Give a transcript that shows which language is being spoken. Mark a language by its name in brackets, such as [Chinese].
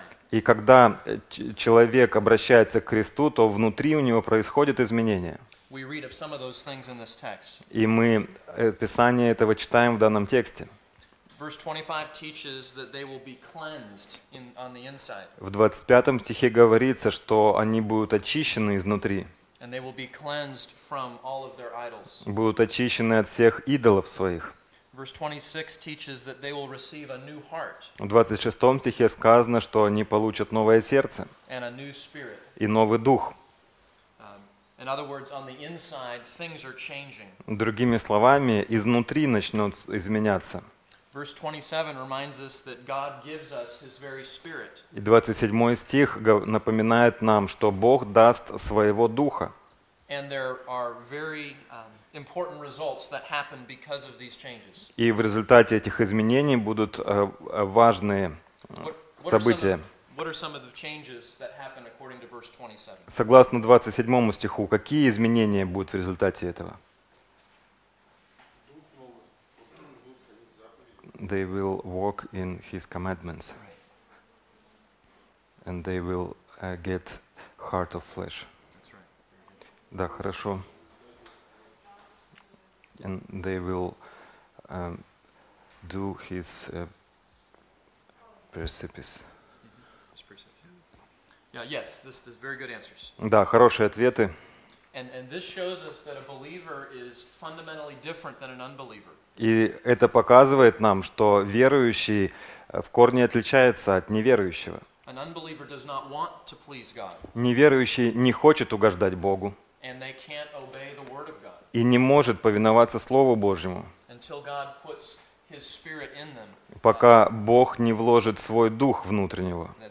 [Russian] И когда человек обращается к Христу, то внутри у него происходят изменения. [English] We read of some of those things in this text. [Russian] И мы Писание этого читаем в данном тексте. [English] Verse 25 teaches that they will be cleansed on the inside. [Russian] В 25 стихе говорится, что они будут очищены изнутри. [English] And they will be cleansed from all of their idols. [Russian] Будут очищены от всех идолов своих. [English] Verse 26 teaches that they will receive a new heart. [Russian] В 26 стихе сказано, что они получат новое сердце [English] and a new spirit. [Russian] И новый дух. [English] In other words, on the inside things are changing. [Russian] Другими словами, изнутри начнут изменяться. [English] Verse 27 reminds us that God gives us his very spirit. [Russian] И 27 стих напоминает нам, что Бог даст своего духа. [English] And there are very important results that happen because of these changes. [Russian] И в результате этих изменений будут важные события. [English] What are some of the changes that happen according to verse 27? [Russian] Согласно 27 стиху, какие изменения будут в результате этого? [English] They will walk in his commandments. And they will get heart of flesh. [Russian] Да, хорошо. [English] And they will do his precepts. Yeah, yes, this is very good answers. [Russian] Да, хорошие ответы. [English] And this shows us that a believer is fundamentally different than an unbeliever. [Russian] И это показывает нам, что верующий в корне отличается от неверующего. [English] An unbeliever does not want to please God. [Russian] Неверующий не хочет угождать Богу. [English] And they can't obey the word of God. [Russian] И не может повиноваться Слову Божьему. [English] Until God puts his spirit in them. [Russian] Пока Бог не вложит свой дух внутрь него.